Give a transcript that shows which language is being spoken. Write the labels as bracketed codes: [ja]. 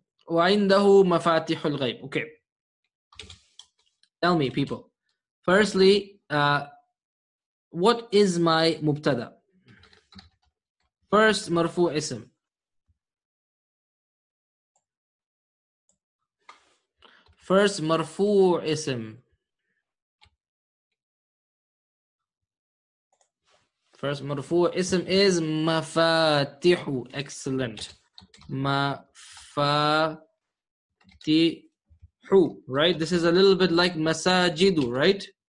[ar] وَعِنْدَهُ مَفَاتِحُ الْغَيْبِ Okay. [en] Tell me, people. Firstly, what is my مُبْتَدَى? [ar] First, مرفوع اسم. First, مرفوع اسم. [en] First, مرفوع اسم is مَفَاتِحُ Excellent. Mafatihu, right? This is a little bit like masajidu, right?